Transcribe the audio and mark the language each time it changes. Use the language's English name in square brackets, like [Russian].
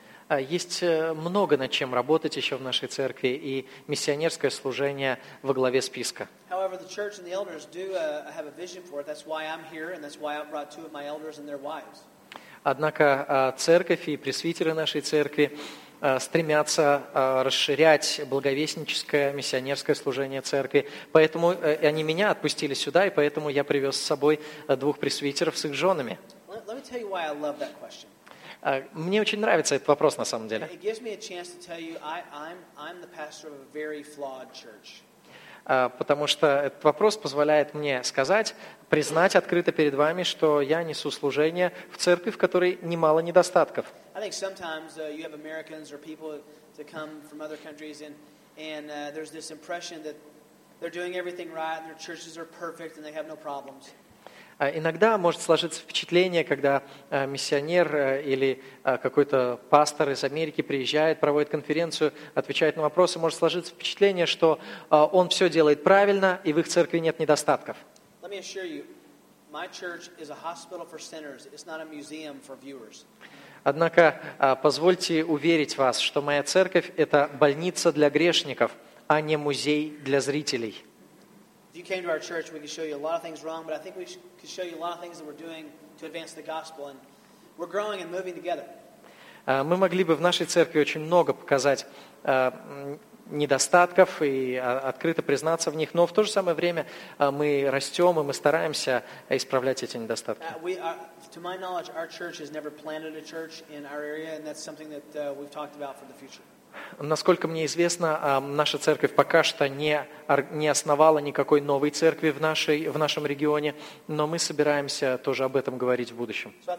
[Russian] Есть много над чем работать еще в нашей церкви, и миссионерское служение во главе списка. [English] However, the church and the elders do have a vision for it. That's why I'm here, and that's why I brought two of my elders and their wives. [Russian] Однако церковь и пресвитеры нашей церкви стремятся расширять благовестническое, миссионерское служение церкви. Поэтому они меня отпустили сюда, и поэтому я привез с собой двух пресвитеров с их женами. [English] Let me tell you why I love that question. [Russian] Мне очень нравится этот вопрос, на самом деле. [English] It gives me a chance to tell you I'm the pastor of a very flawed church. [Russian] Потому что этот вопрос позволяет мне сказать, признать открыто перед вами, что я несу служение в церкви, в которой немало недостатков. [English] I think sometimes you have Americans or people to come from other countries and there's this impression that they're doing everything right and their churches are perfect and they have no problems. [Russian] Иногда может сложиться впечатление, когда миссионер или какой-то пастор из Америки приезжает, проводит конференцию, отвечает на вопросы, может сложиться впечатление, что он все делает правильно, и в их церкви нет недостатков. [English] Let me assure you, my church is a hospital for sinners, it's not a museum for viewers. [Russian] Однако позвольте уверить вас, что моя церковь – это больница для грешников, а не музей для зрителей. [English] If you came to our church, we could show you a lot of things wrong, but I think we could show you a lot of things that we're doing to advance the gospel, and we're growing and moving together. [Russian] Мы могли бы в нашей церкви очень много показать недостатков и открыто признаться в них, но в то же самое время мы растем, и мы стараемся исправлять эти недостатки. [English] To my knowledge, our church has never planted a church in our area, and that's something that we've talked about for the future. [Russian] Насколько мне известно, наша церковь пока что не основала никакой новой церкви в нашем регионе, но мы собираемся тоже об этом говорить в будущем.